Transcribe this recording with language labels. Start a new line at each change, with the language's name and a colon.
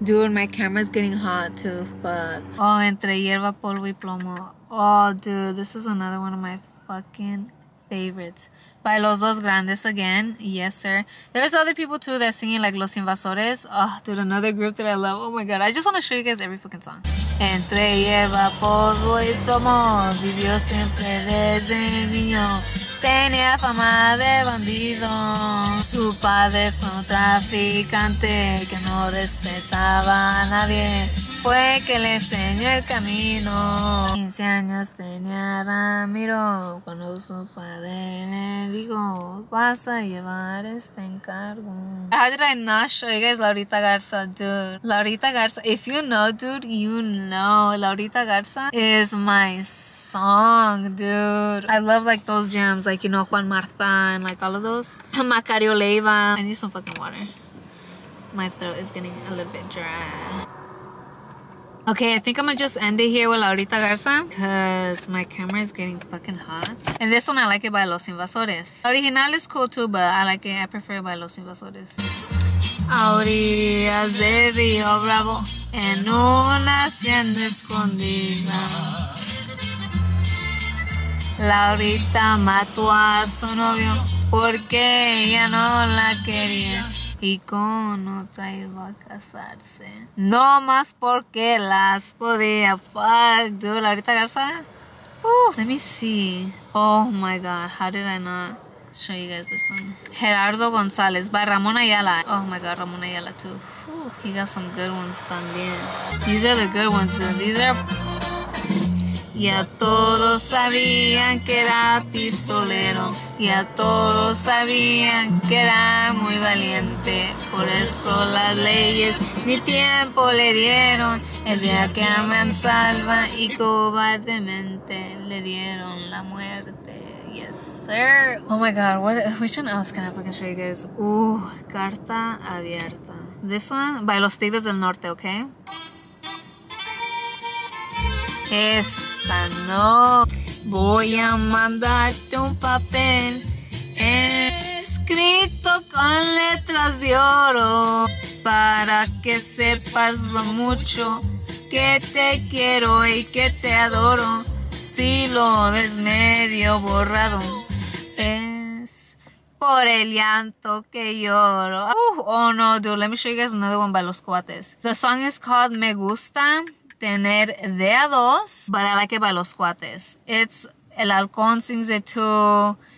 English: Dude, my camera's getting hot too, fuck. Oh, entre hierba, polvo y plomo. Oh, dude, this is another one of my fucking favorites. By Los Dos Grandes again, yes sir. There's other people too that singing like Los Invasores. Oh, dude, another group that I love. Oh my god, I just wanna show you guys every fucking song.
Spanish: Entre hierba, polvo y plomo, vivió siempre desde niño. Tenía fama de bandido. Su padre fue un traficante que no respetaba a nadie. Fue que le enseñó el camino. 15 años tenía Ramiro cuando su padre le dijo, vas a llevar este encargo.
English: How did I not show you guys Laurita Garza, dude? Laurita Garza, if you know, dude, you know. Laurita Garza is my song, dude. I love like those jams, like, you know, Juan Martha and like all of those. Macario Leiva. I need some fucking water. My throat is getting a little bit dry. Okay, I think I'm gonna just end it here with Laurita Garza because my camera is getting fucking hot. And this one, I like it by Los Invasores. Original is cool too, but I like it. I prefer it by Los Invasores.
Spanish: Aurías de Río Bravo en una hacienda escondida. Laurita mató a su novio porque ella no la quería. Y con otra iba a casarse. No más porque las podía.
English: Fuck, dude, Laurita Garza. Let me see. Oh my god, how did I not show you guys this one? Gerardo González by Ramón Ayala. Oh my god, Ramón Ayala too. Whew. He got some good ones
Spanish: también.
English: These are the good ones, dude. These are...
Spanish: Y a todos sabían que era pistolero. Y a todos sabían que era muy valiente. Por eso las leyes ni tiempo le dieron. El día que a Mansalva y cobardemente le dieron la muerte.
English: Yes, sir. Oh my god, which one else can I fucking show you guys? Carta abierta. This one by Los Tigres del Norte, okay? Yes.
Spanish: No, voy a mandarte un papel escrito con letras de oro para que sepas lo mucho que te quiero y que te adoro. Si lo ves medio borrado, es por el llanto que lloro.
English: Oh no, dude, let me show you guys another one by Los Cuates. The song is called Me Gusta Tener de a dos, but I like it by Los Cuates. It's El Halcón sings it too.